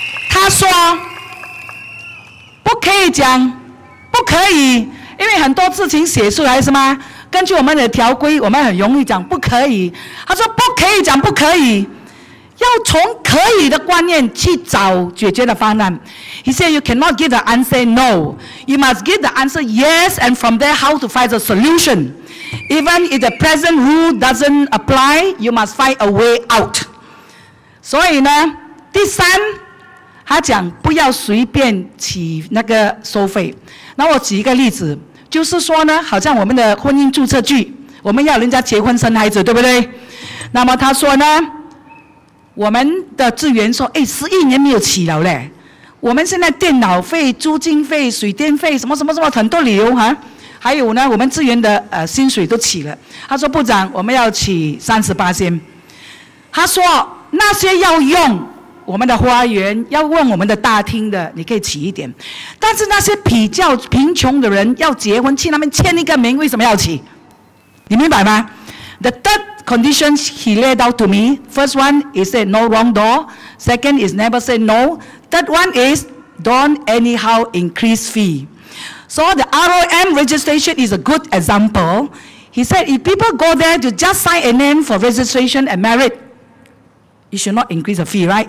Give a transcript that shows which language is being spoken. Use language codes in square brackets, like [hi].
[zh] 他说不可以讲不可以，因为很多事情写出来是吗，根据我们的条规我们很容易讲不可以。他说不可以讲不可以，要从可以的观念去找解决的方案。 [en] He said you cannot give the answer no, you must give the answer yes, and from there how to find the solution. Even if the present rule doesn't apply, you must find a way out. [zh] 所以呢，第三，他讲不要随便起那个收费。那我举一个例子，就是说呢，好像我们的婚姻注册剧，我们要人家结婚生孩子，对不对？那么他说呢，我们的志源说，哎，11年没有起了嘞，我们现在电脑费、租金费、水电费什么什么什么很多理由哈，还有呢，我们志源的薪水都起了。他说部长，我们要起38%。他说那些要用我们的花园，要用我们的大厅的，你可以起一点。但是那些比较贫穷的人要结婚，去那边签一个名，为什么要起？你明白吗？ [en] The third conditions he laid out to me. First one is say no wrong door. Second is never say no. Third one is don't anyhow increase fee. So the ROM registration is a good example. He said if people go there to just sign a name for registration and marriage, you should not increase the fee, right?